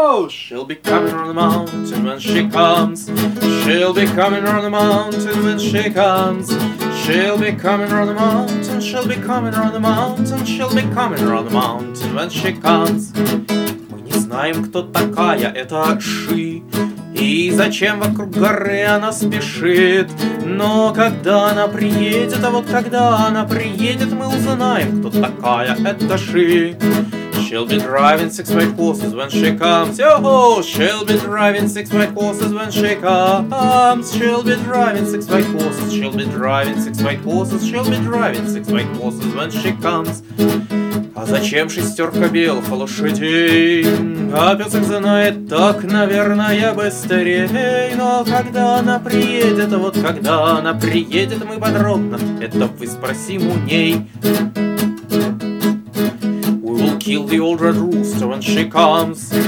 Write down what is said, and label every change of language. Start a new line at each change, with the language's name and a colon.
English: She'll be coming on the mountain when she comes. She'll be coming on the mountain when she comes. She'll be coming on the mountain. She'll be coming on the mountain. She'll be coming on the mountain when she comes.
Russian: Мы не знаем, кто такая эта Ши. И зачем вокруг горы она спешит? Но когда она приедет, а вот когда она приедет, мы узнаем, кто такая эта Ши.
English: She'll be driving 6 white horses when she comes. Yo-ho! She'll be driving 6 white horses when she comes. She'll be driving 6 white horses. She'll be driving 6 white horses. She'll be driving 6 white horses when she comes.
Russian: А зачем шестерка белых лошадей? А пес их знает так, наверное, быстрее. Но когда она приедет, вот когда она приедет, мы подробно это выспросим у ней.
English: We will kill the old red rooster when she comes.